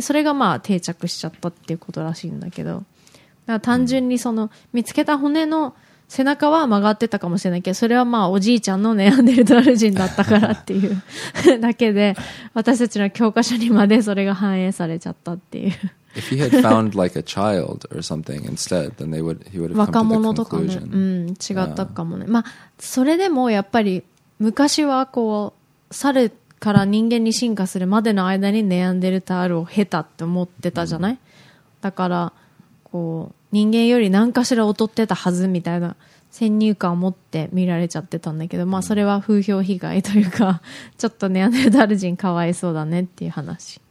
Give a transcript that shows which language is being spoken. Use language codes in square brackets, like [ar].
[ja] それがまあ定着しちゃったっていうことらしいんだけど、だから単純にその見つけた骨の背中は曲がってたかもしれないけど、それはまあおじいちゃんのネアンデルタール人だったからっていうだけで、私たちの教科書にまでそれが反映されちゃったっていう。 [en] If he had found like a child or something instead, then they would, he would have come to the conclusion. [ja] 若者とかね、うん、違ったかもね。まあそれでもやっぱり昔はこう猿から人間に進化するまでの間にネアンデルタールを経たって思ってたじゃない、うん、だからこう人間より何かしら劣ってたはずみたいな先入観を持って見られちゃってたんだけど、まあそれは風評被害というか、ちょっとネアンデルタール人かわいそうだねっていう話。